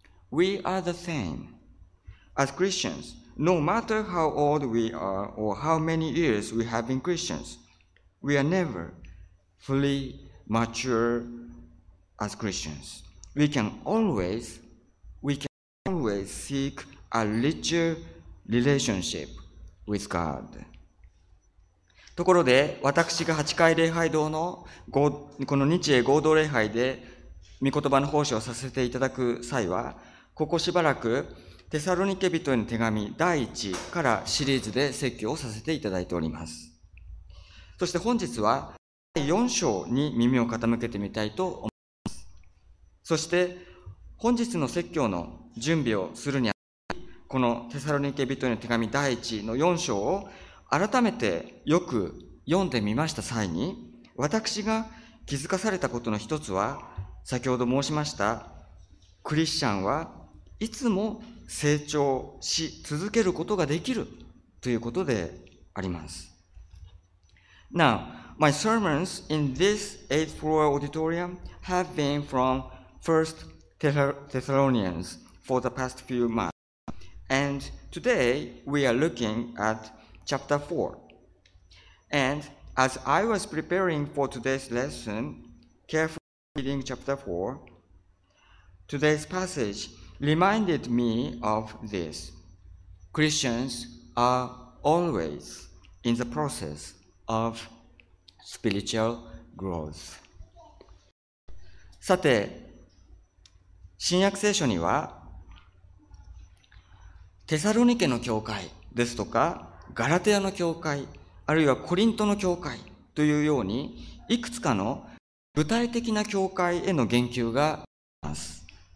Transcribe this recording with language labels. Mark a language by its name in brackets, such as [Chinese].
[English] We are the same. As Christians, no matter how old we are or how many years we have been Christians, we are never fully mature as Christians. We can always seek a richer relationship with God. [Japanese] ところで、私が8回礼拝堂のこの日英合同礼拝で御言葉の奉仕をさせていただく際は、ここしばらくテサロニケ人への手紙第1からシリーズで説教をさせていただいております。そして本日は第4章に耳を傾けてみたいと思います。そして本日の説教の準備をするにあたり、このテサロニケ人への手紙第1の4章を改めてよく読んでみました際に、私が気づかされたことの一つは、先ほど申しましたクリスチャンはいつも成長し続けることができるということであります。 [English] Now, my sermons in this 8th floor auditorium have been from 1st Thessalonians for the past few months. And today we are looking at chapter 4. And as I was preparing for today's lesson, carefully reading chapter 4, today's passage reminded me of this. Christians are always in the process of spiritual growth. [Japanese] さて、新約聖書には、テサロニケの教会ですとか、ガラテヤの教会、あるいはコリントの教会というように、いくつかの具体的な教会への言及があります。